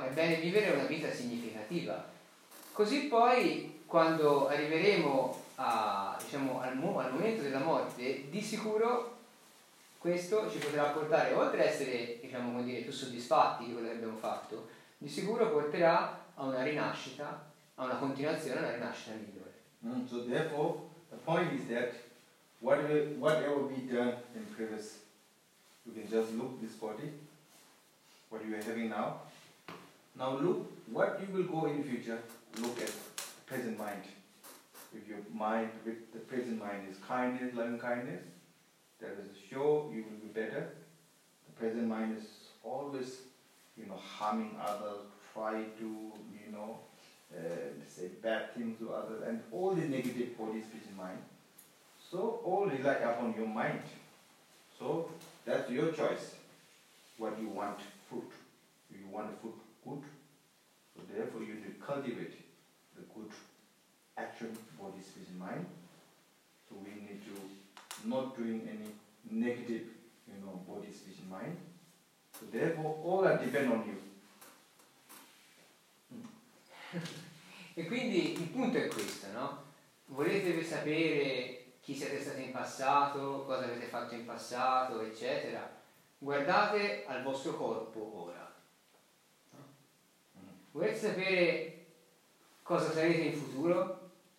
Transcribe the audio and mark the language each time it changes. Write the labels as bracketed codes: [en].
[it] È bene vivere una vita significativa. Così poi, quando arriveremo a, diciamo, al momento della morte, di sicuro questo ci potrà portare, oltre a essere, diciamo, come dire, più soddisfatti di quello che abbiamo fatto, di sicuro porterà a una rinascita, a una continuazione, a una rinascita migliore. [en] So therefore, the point is that whatever we done in previous, you can just look this body, what you are having now. Now look what you will go in future. Look at the present mind. If your mind, with the present mind, is kindness, loving kindness, that is sure you will be better. The present mind is always, you know, harming others, try to, you know, say bad things to others, and all the negative qualities which is mind. So all rely upon your mind. So that's your choice. What you want, fruit. You want the fruit good. So therefore you need to cultivate the good action body speech mind. So we need to not doing any negative, you know, body, speech, mind. So therefore, all that depend on you. [it] E quindi il punto è questo, no? Volete sapere chi siete stati in passato, cosa avete fatto in passato, eccetera? Guardate al vostro corpo ora. Volete sapere cosa sarete in futuro?